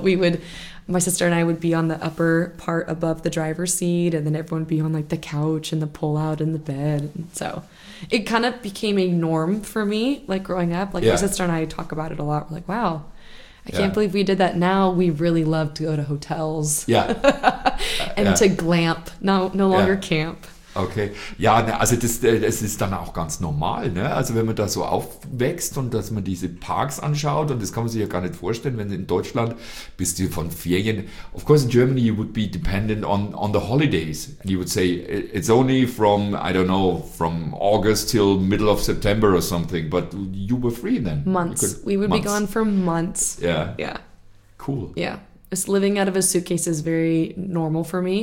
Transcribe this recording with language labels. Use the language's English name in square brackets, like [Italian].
[English] We would, my sister and I would be on the upper part above the driver's seat. And then everyone would be on like the couch and the pullout and the bed. And so it kind of became a norm for me, like growing up. Like my sister and I talk about it a lot. We're like, wow, I can't believe we did that. Now we really love to go to hotels. Yeah. and to glamp, no longer camp. [German] Okay, ja, also das ist dann auch ganz normal, ne? Also wenn man da so aufwächst und dass man diese Parks anschaut, und das kann man sich ja gar nicht vorstellen, wenn in Deutschland bist du von Ferien. [English] Of course, in Germany you would be dependent on the holidays. And you would say it's only from, I don't know, from August till middle of September or something, but you were free then. Months. We would months. Be gone for months. Yeah. Yeah. Cool. Yeah. Just living out of a suitcase is very normal for me.